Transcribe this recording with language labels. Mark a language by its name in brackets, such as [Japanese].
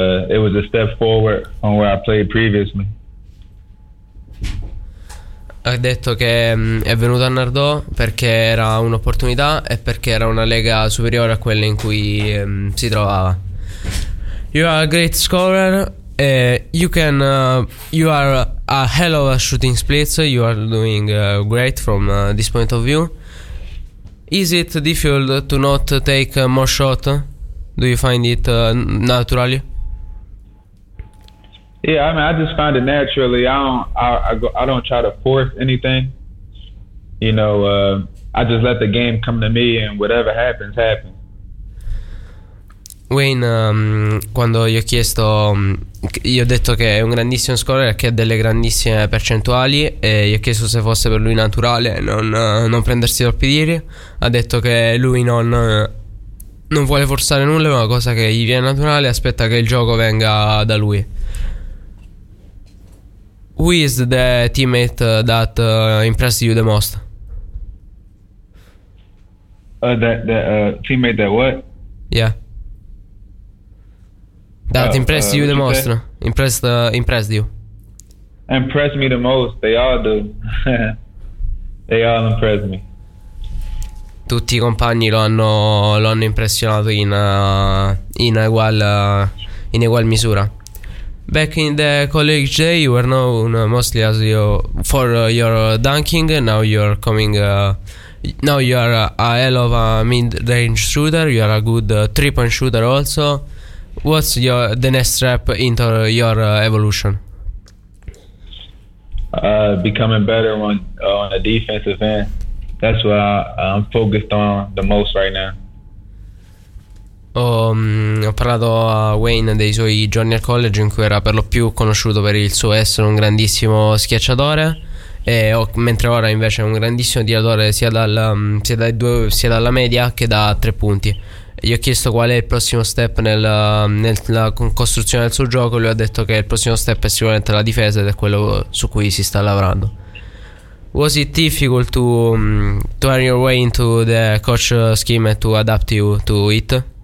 [English] It was a step forward on where I played previously. [Italian] Ha detto che è venuto a Nardò perché era un'opportunità e perché era una lega superiore a quella in cui si trovava. [English] You are a great scorer. You can. You are a hell of a shooting splits. You are doing great from this point of view. Is it difficult to not take more shot? Do you find it naturally? Yeah, I mean, I just find it naturally. I don't try to force anything. You know, I just let the game come to me, and whatever happens, happens. [Italian] Wayne, quando gli ho chiesto, gli ho detto che è un grandissimo scorer, che ha delle grandissime percentuali, e gli ho chiesto se fosse per lui naturale non prendersi troppi tiri. Ha detto che lui non vuole forzare nulla, è una cosa che gli viene naturale, aspetta che il gioco venga da lui. [English] Who is the teammate that impressed you the most? Teammate that what? Yeah. That impressed you the most. No? Impressed you. Impressed me the most. They all do. They all impressed me. [Italian] Tutti i compagni lo hanno impressionato in egual misura. [English] Back in the college day, you were known mostly as for your dunking. Now you're coming. Now you are a hell of a mid-range shooter. You are a good three-point shooter also. What's the next step into your evolution? Becoming better on the defensive end. That's what I'm focused on the most right now. [Italian] Ho parlato a Wayne dei suoi giorni al college, in cui era per lo più conosciuto per il suo essere un grandissimo schiacciatore, mentre ora invece è un grandissimo tiratore sia dalla media che da tre punti. Gli ho chiesto qual è il prossimo step nella costruzione del suo gioco. Lui ha detto che il prossimo step è sicuramente la difesa, ed è quello su cui si sta lavorando. [English] Was it difficult to earn your way into the coach scheme and to adapt you to it?